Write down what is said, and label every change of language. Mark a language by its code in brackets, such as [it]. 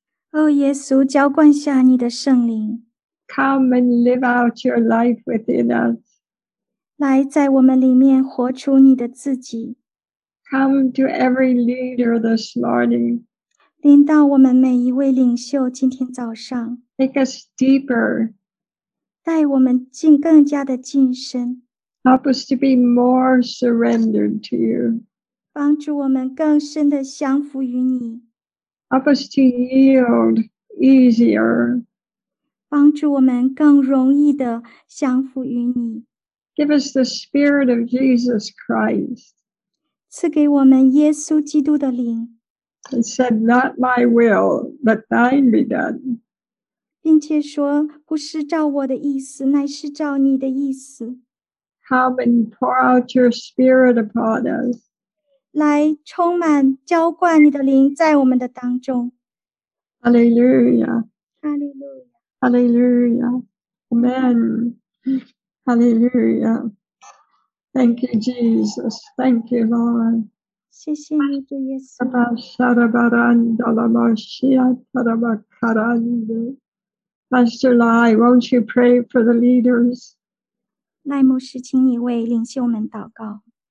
[zh] Oh, 耶稣，浇灌下你的圣灵。 [en] Come and live out your life within us. [zh] 来，在我们里面活出你的自己。 [en] Come to every leader this morning. [zh] 临到我们每一位领袖今天早上。 [en] Take us deeper. [zh] 带我们进更加的进深。 [en] Help us to be more surrendered to you. [zh] 帮助我们更深的降服于你。 [en] Help us to yield easier. [zh] 帮助我们更容易的降服于你。 [en] Give us the Spirit of Jesus Christ. [zh] 赐给我们耶稣基督的灵。 [en] And said, Not my will, but thine be done. [zh] 并且说，不是照我的意思，乃是照你的意思。 [en] Come and pour out your Spirit upon us. [zh] 来充满浇灌你的灵在我们的当中。哈利路亚，哈利路亚，哈利路亚，阿门，哈利路亚。 [en] Thank you, Jesus. Thank you, Lord. [zh] 谢谢你，主耶稣。阿巴沙拉巴兰达拉玛西亚达拉玛卡兰德。 [en] Pastor Lai, won't you pray for the leaders? [zh] 赖牧师，请你为领袖们祷告。